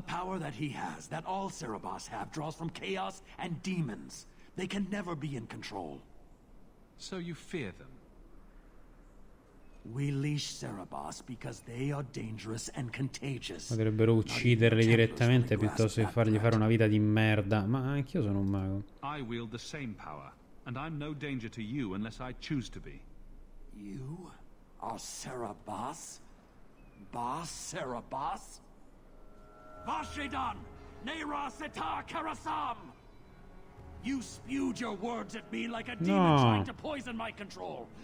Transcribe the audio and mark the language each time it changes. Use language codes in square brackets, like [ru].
[en] power that he has, that all Sarabas have, draws from chaos and demons. They can never be in control. So you fear them? We leash Sarabas because they are dangerous and contagious. [it] Potrebbero ucciderli direttamente piuttosto che fargli fare una vita di merda. Ma anch'io sono un mago. [en] I wield the same power. And I'm no danger to you unless I choose to be. You are Sarabas? Bas Sarabas? Vashidan! Neira Sitar Karasam! You spewed your words at me like a demon trying to poison my control.